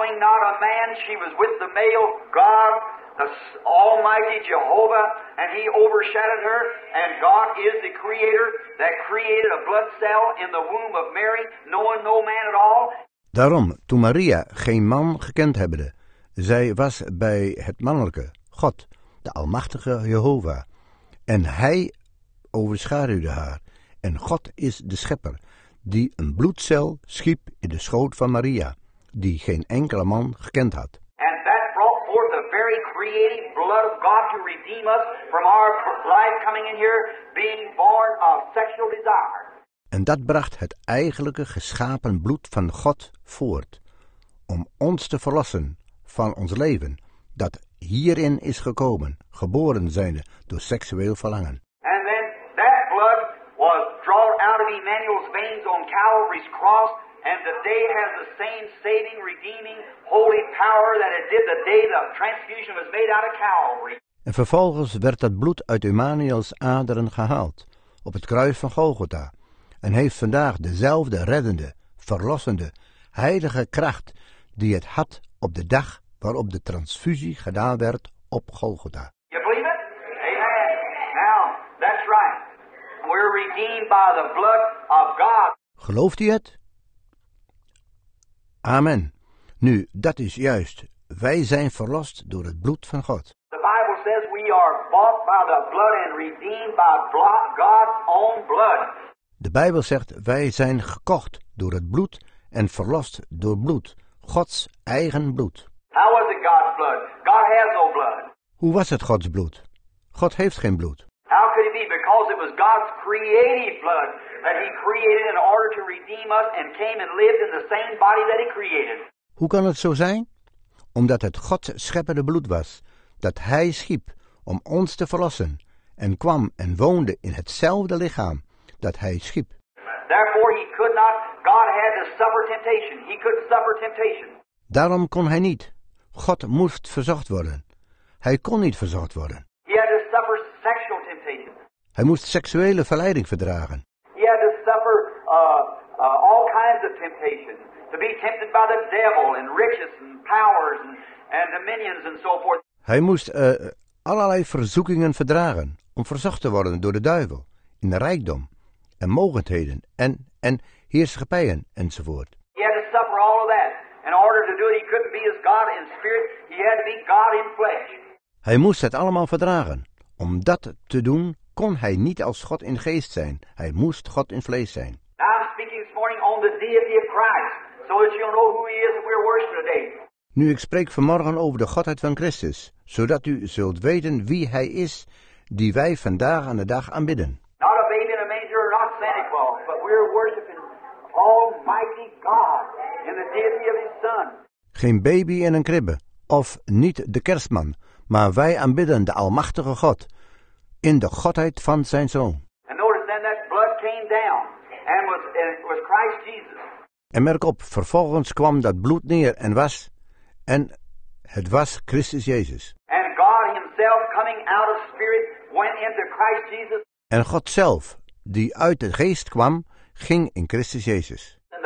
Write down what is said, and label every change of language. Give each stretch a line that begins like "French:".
English: Not a man, she was with the male God, the Almighty Jehovah, and he overshadowed her, and God is the creator that created a blood cell in the womb of Mary, knowing no man at all.
Dutch: Daarom, toen Maria geen man gekend hebbende, zij was bij het mannelijke, God, de Almachtige Jehovah. En hij overschaduwde haar. En God is de schepper, die een bloedcel schiep in de schoot van Maria, die geen enkele man gekend had.
English: And that brought forth the very creative blood of God to redeem us from our life coming in here being born of sexual desire.
Dutch: En dat bracht het eigenlijke geschapen bloed van God voort, om ons te verlossen van ons leven, dat hierin is gekomen, geboren zijnde door seksueel verlangen.
English: And then that blood was drawn out of Emmanuel's veins on Calvary's cross, and the day has the same saving, redeeming, holy power that it did the day the transfusion was made out of Calvary.
Dutch: En vervolgens werd dat bloed uit Emmanuel's aderen gehaald, op het kruis van Golgotha, en heeft vandaag dezelfde reddende, verlossende, heilige kracht die het had op de dag waarop de transfusie gedaan werd op Golgotha.
English: You believe it? Amen. Now, that's right. We're redeemed by the blood of God.
Dutch: Gelooft u het? Amen. Nu, dat is juist. Wij zijn verlost door het bloed van God.
English: The Bible says we are bought by the blood and redeemed by God's own blood.
Dutch: De Bijbel zegt wij zijn gekocht door het bloed en verlost door bloed, Gods eigen bloed.
English: How was it God's blood? God has no blood.
Dutch: Hoe was het Gods bloed? God heeft geen bloed.
English: How could it be? Because it was God's creative blood that he created in order to redeem us and came and lived in the same body that he created.
Dutch: Hoe kan het zo zijn? Omdat het Gods scheppende bloed was dat hij schiep om ons te verlossen en kwam en woonde in hetzelfde lichaam dat hij schiep.
English: Therefore he could not, God had to suffer temptation. He couldn't suffer temptation.
Dutch: Daarom kon hij niet. God moest verzocht worden. Hij kon niet verzocht worden.
English: He had to suffer sexual temptation.
Dutch: Hij moest seksuele verleiding verdragen.
English: He had to suffer all kinds of temptation. To be tempted by the devil and riches and powers and dominions and so forth.
Dutch: Hij moest allerlei verzoekingen verdragen om verzocht te worden door de duivel in de rijkdom en mogendheden en heerschappijen enzovoort.
English: He had to suffer all of that. In order to do it, he couldn't be as God in spirit. He had to be God in flesh.
Dutch: Hij moest het allemaal verdragen. Om dat te doen, kon hij niet als God in geest zijn. Hij moest God in vlees zijn.
English: Now I'm speaking this morning on the deity of Christ, so that you'll know who he is and we're worshiping today.
Dutch: Nu, ik spreek vanmorgen over de Godheid van Christus, zodat u zult weten wie hij is die wij vandaag aan de dag aanbidden.
English: Not a baby in a manger, not Santa Claus, but we're worshiping Almighty God. In the deity of his son.
Dutch: Geen baby in een kribbe, of niet de kerstman, maar wij aanbidden de Almachtige God in de Godheid van zijn Zoon.
English: And notice then that blood came down, and it was Christ Jesus.
Dutch: En merk op, vervolgens kwam dat bloed neer en het was Christus Jezus.
English: And God himself coming out of spirit went into Christ Jesus.
Dutch: En God zelf, die uit de geest kwam, ging in Christus Jezus.